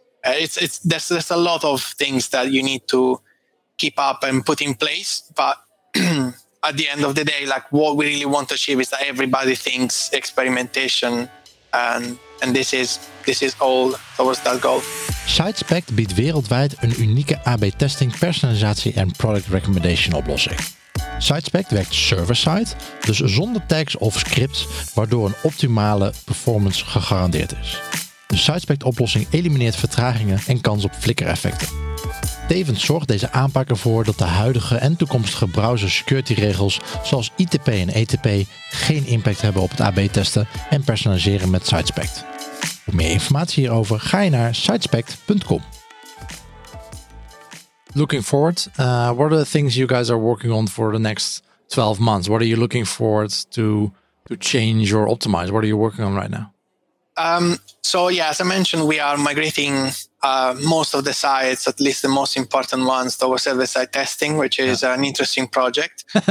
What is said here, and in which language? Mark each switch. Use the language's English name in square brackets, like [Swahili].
[English] There's a lot of things that you need to keep up and put in place, but at the end of the day, like what we really want to achieve is that everybody thinks experimentation, and this is all towards that goal. [Dutch] SiteSpect biedt wereldwijd een unieke A/B testing, personalisatie en product recommendation oplossing. SiteSpect werkt server-side, dus zonder tags of scripts, waardoor een optimale performance gegarandeerd is. De SiteSpect oplossing elimineert vertragingen en kans op flikkereffecten. Tevens zorgt deze aanpak ervoor dat de huidige en toekomstige browser security regels zoals ITP en ETP geen impact hebben op het A/B testen en personaliseren met SiteSpect. Voor meer informatie hierover ga je naar sitespect.com. [English] Looking forward, what are the things you guys are working on for the next 12 months? What are you looking forward to change or optimize? What are you working on right now? So, as I mentioned, we are migrating most of the sites, at least the most important ones, towards server-side testing, which is an interesting project.